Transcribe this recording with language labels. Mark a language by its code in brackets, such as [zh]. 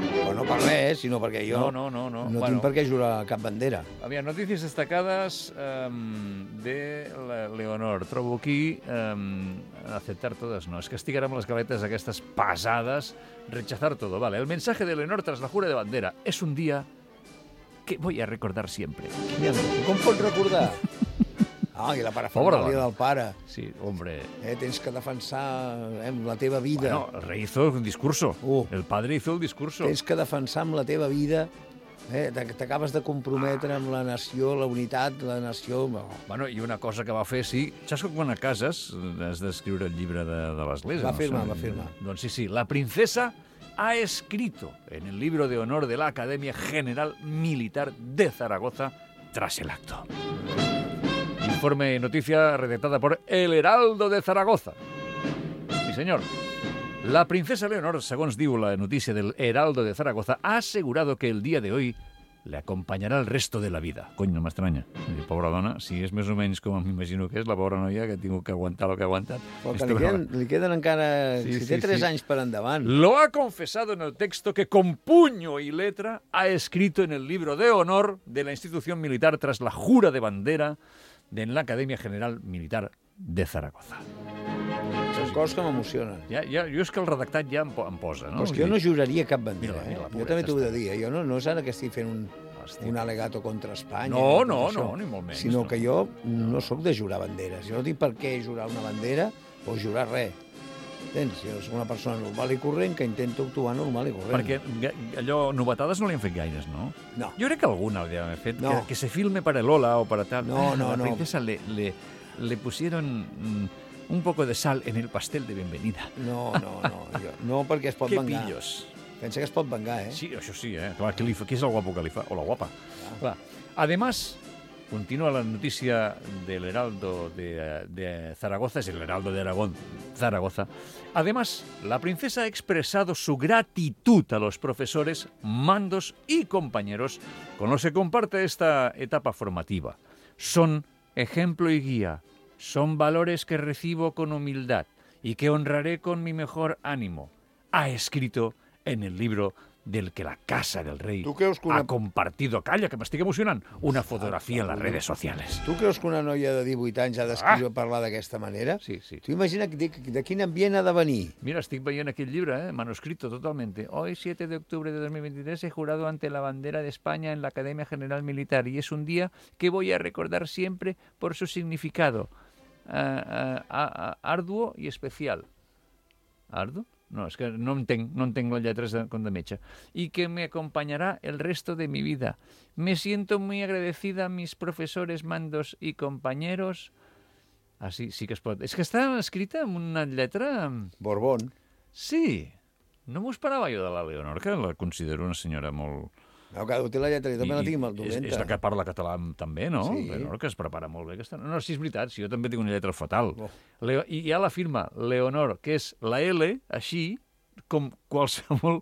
[ca] No per res, sinó perquè jo no tinc per què jurar cap bandera. Aviam, notícies destacades de Leonor. Trobo aquí aceptar totes. No, és que estic ara amb les galetes aquestes pesades. [es] Rechazar todo, vale. El mensaje de Leonor tras la jura de bandera. Es un día que voy a recordar siempre. [ca] Com pots recordar? Ah, i la parafernalia del pare. [es] Sí, hombre. [ca] Tens que defensar la teva vida. [es] Bueno, el rei hizo un discurso. El padre hizo el discurso. [ca] Tens que defensar amb la teva vida. T'acabes de comprometre amb la nació, la unitat, la nació... Bueno, i una cosa que va fer, sí... Saps quan a cases has d'escriure el llibre de l'Església? Va firmar. Doncs sí. [es] La princesa ha escrito en el libro de honor de la Academia General Militar de Zaragoza tras el acto. Informe y noticia redactada por El Heraldo de Zaragoza. Mi señor, la princesa Leonor, según diu la noticia del Heraldo de Zaragoza, ha asegurado que el día de hoy le acompañará el resto de la vida. Coño, no me extraña. [ca] Pobre dona, si és més o menys com m'imagino que és, la pobra noia que ha tingut que aguantar el que ha aguantat. Li queden encara... Sí, si té 3 anys per endavant. [es] Lo ha confesado en el texto que con puño y letra ha escrito en el libro de honor de la institución militar tras la jura de bandera de la Academia General Militar de Zaragoza. [ca] Són coses que m'emocionen. Jo és que el redactat ja em posa, no? Pues jo no juraria cap bandera, mira, mira, jo també t'ho he de dir. Jo no és ara que estic fent un alegato contra Espanya. No, ni molt menys. Sinó que jo no sóc de jurar banderes. Jo no tinc per què jurar una bandera o jurar res. Entens? Jo soc una persona normal i corrent que intento actuar normal i corrent. Perquè allò, novetades no li han fet gaires, no? No. Jo crec que alguna l'havia fet. No. Que se filme per a Lola o per a tal. No. [es] La princesa le pusieron un poco de sal en el pastel de bienvenida. No. [ca] Jo, no, perquè es pot vengar. [es] Qué pillos. [ca] Pensa que es pot vengar, Sí, això sí, Clar, qui és el guapo que li fa? O la guapa. Ja. Clar. Además... [es] Continúa la noticia del Heraldo de Zaragoza, es el Heraldo de Aragón, Zaragoza. Además, la princesa ha expresado su gratitud a los profesores, mandos y compañeros con los que comparte esta etapa formativa. Son ejemplo y guía, son valores que recibo con humildad y que honraré con mi mejor ánimo. Ha escrito en el libro del que la casa del rey ha compartido... [ca] Calla, que m'estic emocionant. Una fotografia en les redes sociales. Tu creus que una noia de 18 anys ha d'escriure parlar d'aquesta manera? Sí, sí. Tu imagina't de quin ambient ha de venir. Mira, estic veient aquest llibre, [es] manuscrito totalmente. Hoy, 7 de octubre de 2023, he jurado ante la bandera de España en la Academia General Militar y es un día que voy a recordar siempre por su significado arduo y especial. ¿Arduo? [ca] No, és que no entenc, no entenc les lletres com de metge. I que me acompanyarà [es] el resto de mi vida. Me siento muy agradecida a mis profesores, mandos y compañeros. [ca] Ah, sí, sí que es pot. És que està escrita amb una lletra... Borbón. Sí. No m'ho esperava jo de la Leonor, que la considero una senyora molt... No, cada té la lletra, jo també la tinc amb el dolenta. És la que parla català també, no? Sí. Leonor, que es prepara molt bé. Aquesta... No, sí, és veritat, sí, jo també tinc una lletra fatal. Oh. Leo... I hi ha la firma Leonor, que és la L, així, com qualsevol...